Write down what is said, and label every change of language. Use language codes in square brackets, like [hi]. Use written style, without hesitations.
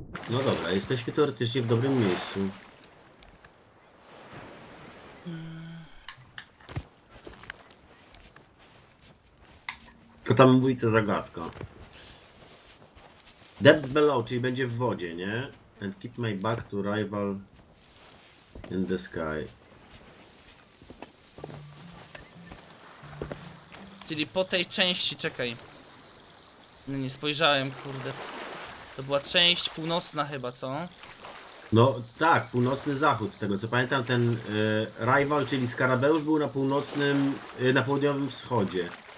[pl] No dobra, jesteśmy teoretycznie w dobrym miejscu. To tam mówi co zagadka. [en] Depth below, [pl] czyli będzie w wodzie, nie? [en] And keep my back to rival in the sky. [pl] Czyli po tej części, czekaj. No nie spojrzałem, kurde. To była część północna chyba, co? No tak, północny zachód, z tego co pamiętam, ten rival, czyli skarabeusz był na północnym, na południowym wschodzie.